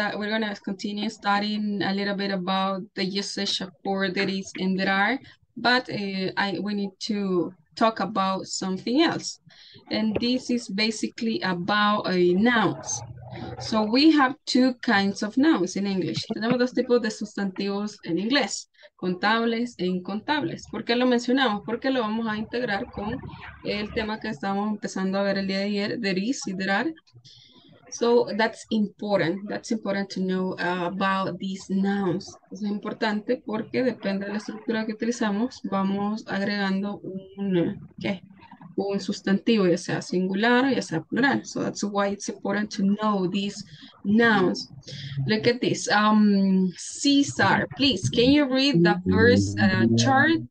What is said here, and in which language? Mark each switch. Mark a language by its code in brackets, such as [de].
[en] We're gonna continue studying a little bit about the usage of for, that is, and there are, but we need to talk about something else, and this is basically about nouns. So we have two kinds of nouns in English. [es] Tenemos dos tipos de sustantivos en inglés, contables e incontables. ¿Por qué lo mencionamos? Porque lo vamos a integrar con el tema que estamos empezando a ver el día de ayer, there is y there are. [en] So that's important to know about these nouns. [es] Es importante porque depende de la estructura que utilizamos, vamos agregando un, ¿qué? Un sustantivo, ya sea singular, ya sea plural. [en] So that's why it's important to know these nouns. Look at this. Cesar, please, can you read the first chart?